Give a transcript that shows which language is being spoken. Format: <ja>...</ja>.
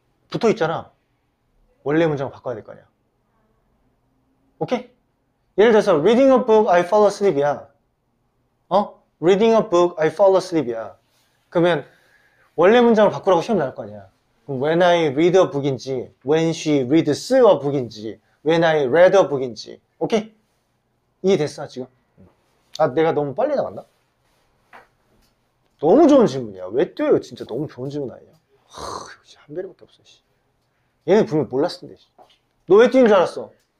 <ko>붙어 있잖아. 원래 문장을 바꿔야 될 거 아니야.</ko> <en>오케이?</en> <ko>예를 들어서</ko> <en>reading a book, I fall asleep이야. 어? Reading a book, I fall asleep이야.</en> <ko>그러면 원래 문장을 바꾸라고 시험 나올 거 아니야.</ko> <en>When I read a book인지, when she reads a book인지, when I read a book인지.</en> <ko>오케이? 이해됐어, 지금? 아, 내가 너무 빨리 나갔나? 너무 좋은 질문이야. 왜 뛰어요? 진짜 너무 좋은 질문 아니야? 하, 한 배리밖에 없어, 씨. 얘는 분명 몰랐을텐데, 씨. 너 왜 뛰는 줄 알았어?</ko>